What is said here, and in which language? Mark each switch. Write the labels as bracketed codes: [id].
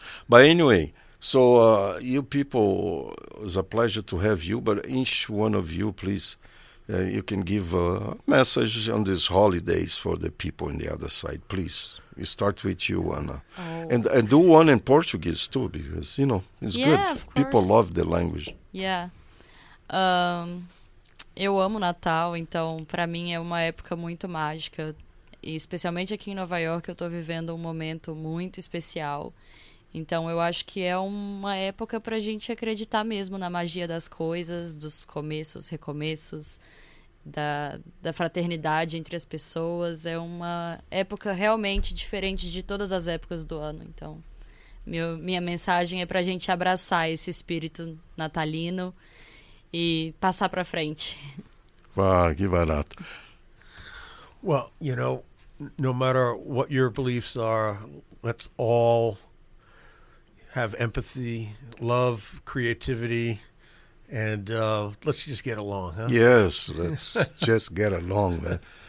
[en] But anyway, so you people, it's a pleasure to have you. But each one of you, please, you can give a message on these holidays for the people on the other side. Please, we start with you, Ana. Oh. And do one in Portuguese, too, because, you know, it's good. Of course. People love the language. Yeah. [pt] Eu amo Natal, então para mim é uma época muito mágica, e especialmente aqui em Nova York eu estou vivendo um momento muito especial, então eu acho que é uma época para a gente acreditar mesmo na magia das coisas, dos começos, recomeços, da fraternidade entre as pessoas, é uma época realmente diferente de todas as épocas do ano, então Minha mensagem é pra gente abraçar esse espírito natalino e passar pra frente. Ah, que barato. [en] Well, you know, no matter what your beliefs are, let's all have empathy, love, creativity, and let's just get along, huh? Yes, let's just get along, man.